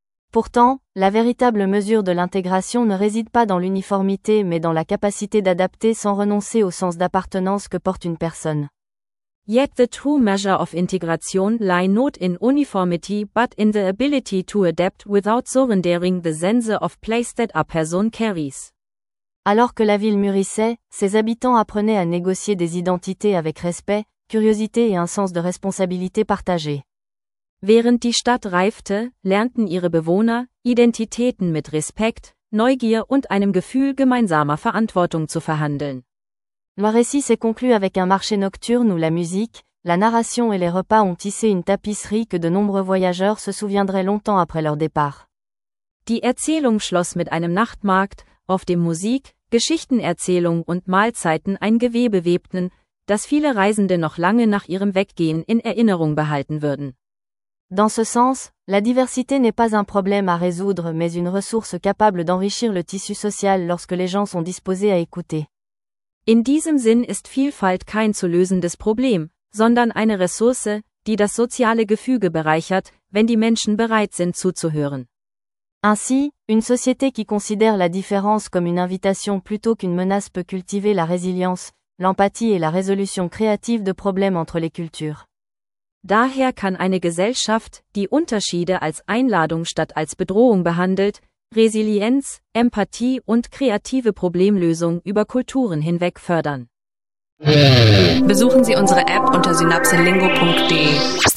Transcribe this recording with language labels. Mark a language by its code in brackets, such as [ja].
[fr] Pourtant, la véritable mesure de l'intégration ne réside pas dans l'uniformité mais dans la capacité d'adapter sans renoncer au sens d'appartenance que porte une personne. [en] Yet the true measure of integration lie not in uniformity but in the ability to adapt without surrendering the sense of place that a person carries. [fr] Alors que la ville mûrissait, ses habitants apprenaient à négocier des identités avec respect, curiosité et un sens de responsabilité partagée. [de] Während die Stadt reifte, lernten ihre Bewohner, Identitäten mit Respekt, Neugier und einem Gefühl gemeinsamer Verantwortung zu verhandeln. [fr] Le récit s'est conclu avec un marché nocturne où la musique, la narration et les repas ont tissé une tapisserie que de nombreux voyageurs se souviendraient longtemps après leur départ. [de] Die Erzählung schloss mit einem Nachtmarkt, auf dem Musik, Geschichtenerzählung und Mahlzeiten ein Gewebe webten, das viele Reisende noch lange nach ihrem Weggehen in Erinnerung behalten würden. [fr] Dans ce sens, la diversité n'est pas un problème à résoudre mais une ressource capable d'enrichir le tissu social lorsque les gens sont disposés à écouter. [de] In diesem Sinn ist Vielfalt kein zu lösendes Problem, sondern eine Ressource, die das soziale Gefüge bereichert, wenn die Menschen bereit sind zuzuhören. [fr] Ainsi, une société qui considère la différence comme une invitation plutôt qu'une menace peut cultiver la résilience, l'empathie et la résolution créative de problèmes entre les cultures. [de] Daher kann eine Gesellschaft, die Unterschiede als Einladung statt als Bedrohung behandelt, Resilienz, Empathie und kreative Problemlösung über Kulturen hinweg fördern. Besuchen Sie unsere App unter synapsenlingo.de.